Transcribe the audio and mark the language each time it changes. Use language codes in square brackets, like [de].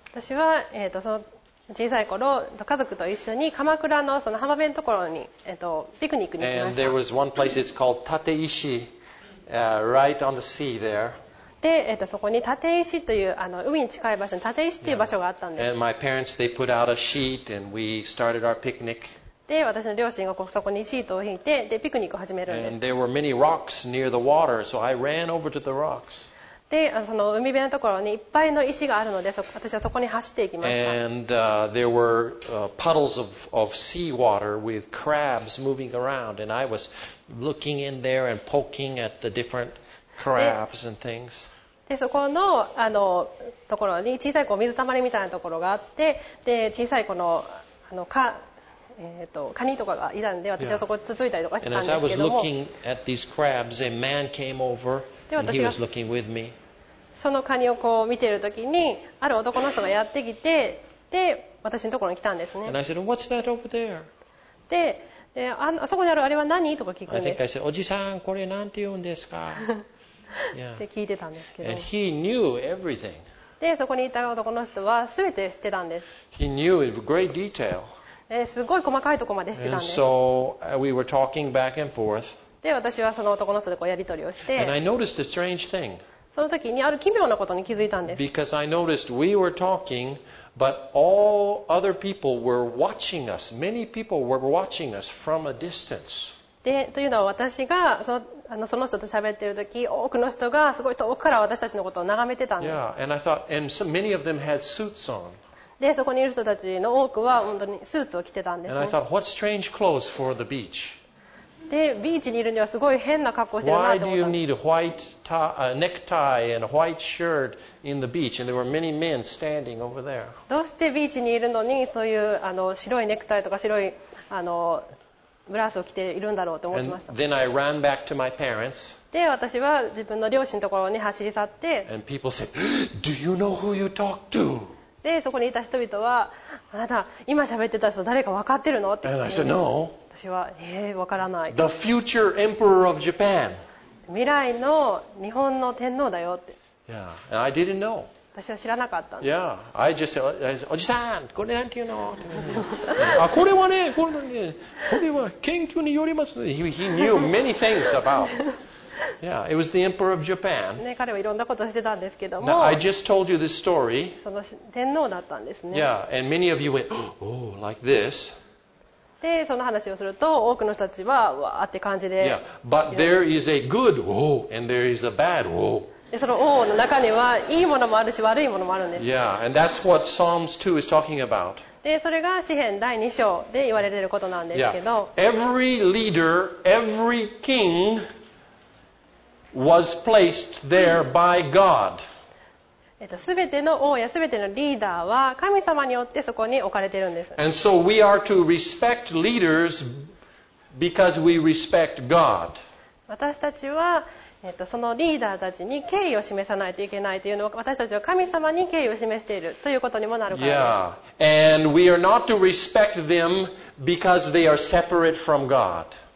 [ja] 私は、その小さい頃、家族と一緒に鎌倉のその浜辺のところに、ピクニックに行きました。 [en] And there was one place, it's called Tateishi, right on the sea there. [ja] で、そこに立石という海に近い場所に立石という場所があったんです。 [en] And my parents, they put out a sheet and we started our picnic. [ja] で、私の両親がそこにシートを引いて、でピクニックを始めるんです。 [en] And there were many rocks near the water, so I ran over to the rocks. [ja] で、その海辺のところにいっぱいの石があるので、私はそこに走っていきました。 [en] And there were puddles of seawater with crabs moving around, and I was looking in there and poking at the different crabs and things. [ja] でそこ の, ところに小さいこう水たまりみたいなところがあって、で小さいこの蚊カニとかがいたんで、私はそこをつついたりとかしてたんですけども。 [en] And as I was looking at these crabs, a man came over and he was looking with me. [ja] そのカニをこう見ているときに、ある男の人がやってきて、で私のところに来たんですね。 [en] And I said, "What's that over there?" [ja] で、あそこにあるあれは何？とか聞くんです。 [en] I think I said, [ja] "おじさん、これなんて言うんですか?" で聞いてたんですけど。 [en] And he knew everything. [ja] でそこにいた男の人はすべて知ってたんです。 [en] He knew in great detail. [ja] すごい細かいところまで知ってたんです。 [en] So, we were talking back and forth. [ja] で、私はその男の人とこうやり取りをして、 [en] And I noticed a strange thing. [ja] その時にある奇妙なことに気づいたんです。 [en] Because I noticed we were talking, but all other people were watching us. Many people were watching us from a distance. [ja] で、というのは私がその人と喋っている時、多くの人がすごい遠くから私たちのことを眺めてたんです。 [en] Yeah, and I thought, and so many of them had suits on. [ja] でそこにいる人たちの多くは本当にスーツを着てたんですね。 [en] And I thought, what strange clothes for the beach? [ja] で、ビーチにいるにはすごい変な格好してるなと思った。 [en] Why do you need a white tie, a necktie and a white shirt in the beach? And there were many men standing over there. [ja] どうしてビーチにいるのにそういうあの白いネクタイとか白いあのブラウスを着ているんだろうと思ってました。 [en] And then I ran back to my parents. [ja] で、私は自分の両親のところに走り去って。 [en] And people said, Do you know who you talk to? [ja] でそこにいた人々はあなた今喋ってた人誰か分かってるのって言って、ね、私は、分からない。 [en] The future emperor of Japan. [ja] 未来の日本の天皇だよって。 [en] Yeah. And I didn't know. [ja] 私は知らなかったんだ。 [en] Yeah. I just said, [ja] おじさんこれなんていうのあこれはねこれ、ね、これは研究によります、ね、 [en] he knew many things aboutYeah, it was the emperor of Japan. [ja] ね、彼はいろんなことをしてたんですけども。 [en] Now, I just told you this story. [ja] その天皇だったんですね。 [en] Yeah, and many of you went, oh, like this. [ja] で、その話をすると、多くの人たちは、わーって感じで。 [en] Yeah, but there is a good, oh, and there is a bad, oh. [ja] で、その oh の中には、いいものもあるし、悪いものもあるんです。 [en] Yeah, and that's what Psalms 2 is talking about. [ja] で、それが詩編第2章で言われていることなんですけど。 [en] Yeah, every leader, every king,was placed there by God. [ja] 全ての王や全てのリーダーは神様によってそこに置かれているんです。 [en] And so we are to respect leaders because we respect God. [ja] 私たちは、そのリーダーたちに敬意を示さないといけないというのは私たちは神様に敬意を示しているということにもなるからです。 [en] And we are not to respect them because they are separate from God.